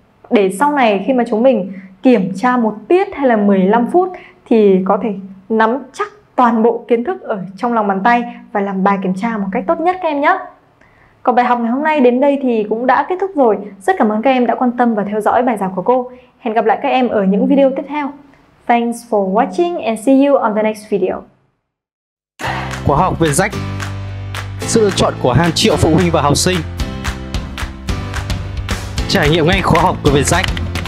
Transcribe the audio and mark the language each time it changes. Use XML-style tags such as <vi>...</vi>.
<vi>Để sau này khi mà chúng mình kiểm tra một tiết hay là 15 phút thì có thể nắm chắc toàn bộ kiến thức ở trong lòng bàn tay và làm bài kiểm tra một cách tốt nhất các em nhé. Còn bài học ngày hôm nay đến đây thì cũng đã kết thúc rồi. Rất cảm ơn các em đã quan tâm và theo dõi bài giảng của cô. Hẹn gặp lại các em ở những video tiếp theo.</vi> <en>Thanks for watching and see you on the next video.</en> <vi>Khóa học Việt Jack, sự lựa chọn của hàng triệu phụ huynh và học sinh. Trải nghiệm ngay khóa học của Việt Jack.</vi>